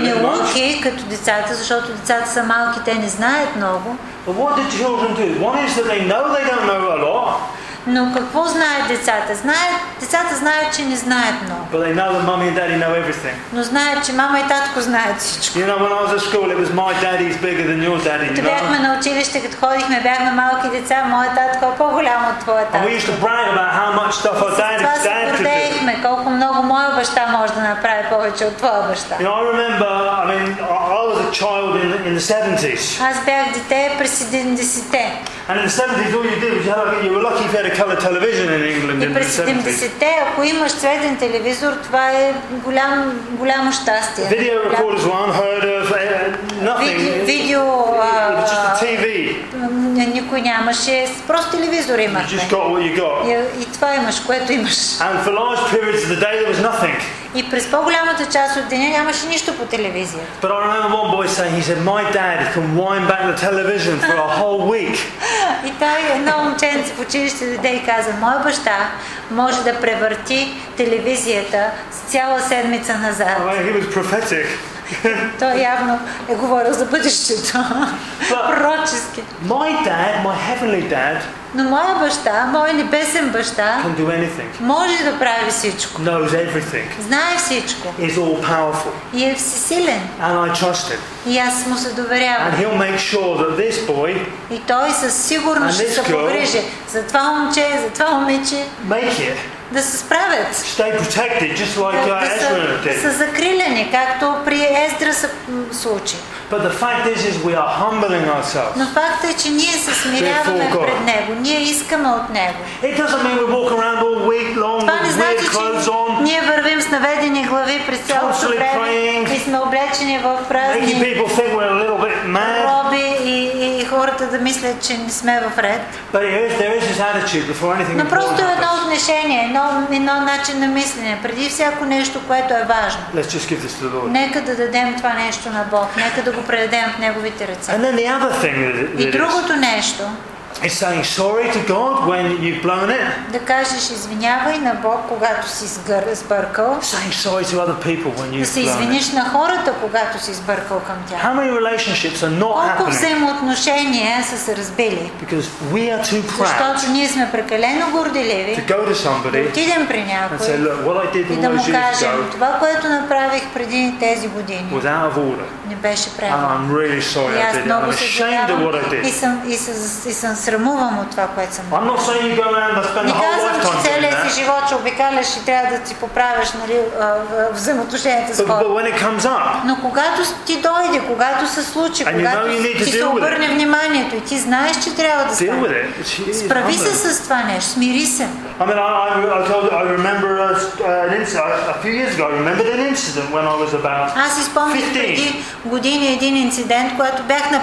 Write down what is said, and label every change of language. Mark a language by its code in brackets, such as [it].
[bg] неуки като децата, защото децата са малки, те не знаят много. [en] But what do children do? One is that they know they don't know a lot. [bg] Но какво знаят децата? Децата знаят, че не знаят много. [en] But they know that mommy and daddy know everything. [bg] Но знаят, че мама и татко знаят всичко. [en] You know, when I was at school, it was my daddy is bigger than your daddy. [bg] Като бяхме на училище, като ходихме, бяхме малки деца, моят татко е по-голям от твоя татко. [en] And we used to brag about how much stuff our dad could do. [bg] Затова се гордеехме, колко много моя баща може да направи повече от твоя баща. [en] You know, I remember, I mean, I was a child in the 70s. [bg] Аз бях дете през 70-те. [en] And in the 70s, all you did was you were lucky if you had a colour television in England in the 70s. [bg] През 70-те, ако имаш цветен телевизор, това е голямо щастие. [en] Video recorders were unheard of. Nothing. [bg] Видео. [en] Just a TV. [bg] Никой нямаше, просто телевизор имаше. [en] You just got what you got. [bg] И това имаш, което имаш. [en] And for large periods of the day, there was nothing. [bg] И през по-голямата част от деня нямаше нищо по телевизията. [en] But I remember one boy saying, he said, my dad can wind back the television for a whole week. [bg] И той едно момченце в училище дойде и каза, моя баща може да превърти телевизията с цяла седмица назад. [en] Oh, he was prophetic. [bg] Той явно е говорил за бъдещето. Пророчески. [en] My dad, my heavenly dad, [bg] но моя баща, моя небесен баща, [en] can do anything. [bg] Може да прави всичко. [en] Knows everything. [bg] Знае всичко. [en] Is all powerful. [bg] И е всесилен. [en] And I trust him. [bg] И аз му се доверявам. [en] And he'll make sure that this boy, [bg] и той със сигурност ще се погрижи за това момче, за това момиче. [en] Make it. [bg] Да се справят. [en] Stay protected, just like Ezra did. [bg] Са закрилени, както при Ездра се случи. [en] But the fact is we are humbling ourselves. [bg] Но факт е, че ние се смиряваме пред Него. Ние искаме от Него. [en] It doesn't mean we walk around all week long with weird clothes on. [bg] Ние вървим с наведени глави през цялото време и сме облечени в празни. [en] Maybe people think we're a little bit mad. [bg] Роби и хората да мислят, че не сме в ред. [en] But there is this attitude before anything. [bg] Но просто е едно отношение, едно начин на мислене. Преди всяко нещо, което е важно. [en] Let's just give this to the Lord. [bg] Нека да дадем това нещо на Бог. Нека да го предадем в Неговите ръце. [en] And then the other thing that is, [bg] и другото нещо, [en] is saying sorry to God when you've blown it. [bg] Да кажеш извинявай на Бог, когато си сбъркал. [en] Saying sorry to other people when you've blown it. [bg] Да се извиниш на хората, когато си сбъркал към тях. [en] How many relationships are not happening? [bg] Колко взаимоотношения са се разбили? [en] Because we are too proud. [bg] Защото ние сме прекалено горделиви. [en] To go to somebody. [bg] Да отидем при някой. [en] And say, look, what I did [bg] и да му кажем, [en] ago, [bg] това, което направих преди тези години. [en] Was out of order. [bg] Не беше правилно. [en] And I'm really sorry. I'm ashamed of what I did. [bg] И съм срамувам от това, което съм. [en] I'm not saying you go around and spend the whole life on [bg] целия си живот ще обикаляш и трябва да ти поправиш, нали, взаимоотношенията с хората. Но когато ти дойде, когато се случи, когато ти се обърне вниманието и ти знаеш, че трябва да стане. Справи се с това нещо, смири се. [en] I mean, I remember an incident a few years ago. I remembered an incident when I was about 15. [bg] Аз спомням преди години един инцидент, когато бях на 15.